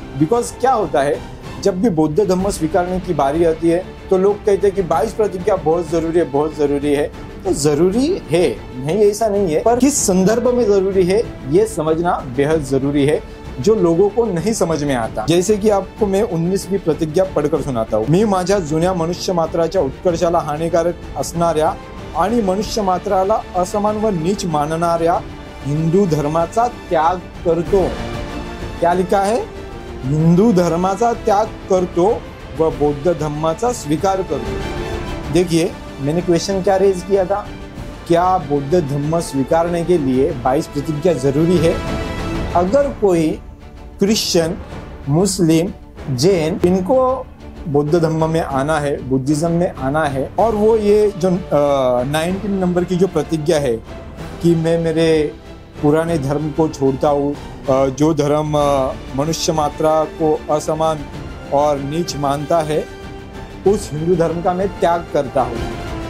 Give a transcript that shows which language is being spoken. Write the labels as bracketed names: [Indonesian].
[Hindi] Because क्या होता है, जब भी बौद्ध धर्म स्वीकारने की बारी आती है तो लोग कहते हैं कि 22 प्रतिज्ञा बहुत जरूरी है, बहुत जरूरी है। तो जरूरी है, नहीं ऐसा नहीं है, पर किस संदर्भ में जरूरी है ये समझना बेहद जरूरी है, जो लोगों को नहीं समझ में आता। जैसे कि आपको मैं 19वीं प्रतिज्ञा पढ़कर सुनाता हूँ। [Marathi] मी माझ्या जुन्या मनुष्य मात्राच्या उत्कर्षाला हानिकारक असणाऱ्या आणि मनुष्य मात्राला असमान व नीच मानणाऱ्या हिंदू धर्माचा त्याग करतो। [Hindi] क्या लिखा है? [Marathi] हिंदू धर्माचा त्याग करतो व बौद्ध धर्माचा स्वीकार करतो। [Hindi] देखिए मैंने क्वेश्चन क्या रेज किया था, क्या बौद्ध धर्म स्वीकारने के लिए 22 प्रतिज्ञा जरूरी है? अगर कोई क्रिश्चियन, मुस्लिम, जैन, इनको बौद्ध धर्म में आना है, बुद्धिज्म में आना है, और वो ये जो 19 नंबर की जो प्रतिज्ञा है कि मैं मेरे पुराने धर्म को छोड़ता हूँ, जो धर्म मनुष्य मात्रा को असमान और नीच मानता है, उस हिंदू धर्म का मैं त्याग करता हूँ।